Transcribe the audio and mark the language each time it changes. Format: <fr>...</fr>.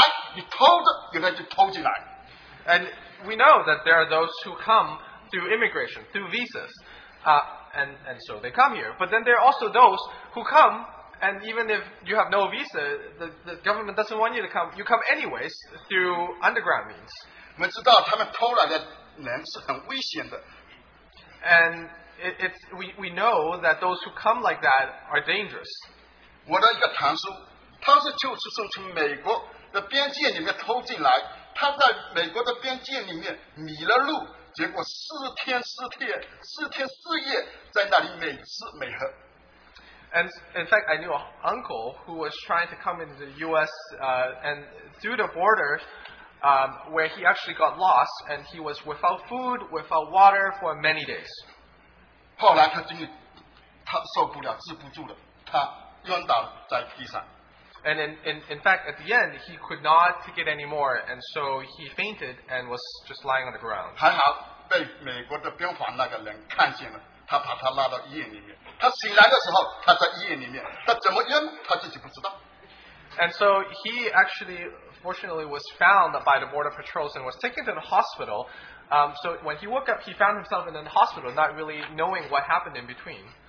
<zh>你来的，有的是美国政府不让你来的，他是不让你来，你偷着，有的就偷进来。</zh> <en>And we know that there are those who come through immigration, through visas, and so they come here. But then there are also those who come, and even if you have no visa, the government doesn't want you to come. You come anyways through underground means.</en> <zh>我们知道他们偷来的人是很危险的。</zh> <en>And We know that those who come like that are dangerous.</en> <zh>我的一个堂叔，他是就是从美国的边界里面偷进来，他在美国的边界里面迷了路，结果四天四夜在那里美吃美喝。</zh> <en>And in fact, I knew an uncle who was trying to come into the U.S. And through the border, where he actually got lost, and he was without food, without water for many days.</en> <zh>后来他受不了，治不住了，他晕倒在地上。</zh> <en>And in fact, at the end, he could not take it anymore, and so he fainted and was just lying on the ground.</en> <zh>还好被美国的边防那个人看见了，他把他拉到医院里面。他醒来的时候，他在医院里面，他怎么晕，他自己不知道。</zh> <en>And so he actually fortunately was found by the border patrols and was taken to the hospital. So when he woke up, he found himself in the hospital, not really knowing what happened in between.</en>